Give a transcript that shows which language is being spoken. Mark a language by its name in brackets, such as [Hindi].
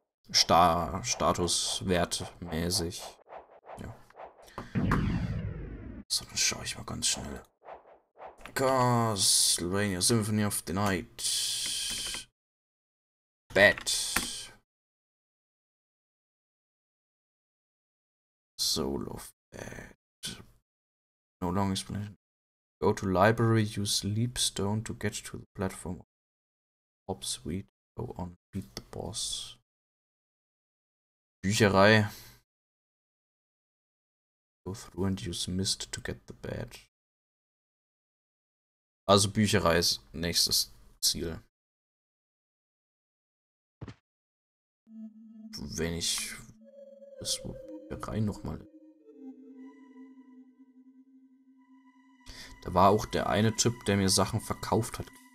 [German] Statuswertmäßig. So, dann schaue ich mal ganz schnell. [English] Castlevania Symphony of the Night. Bad. Soul of Bad. No long explanation. Go to library, use Leapstone to get to the platform. Hop suite. Go on, beat the boss. Bücherei. Go through and use Mist to get the badge. [German] Also Bücherei ist nächstes Ziel. Wenn ich das Bücherei nochmal... Da war auch der eine Typ, der mir Sachen verkauft hat.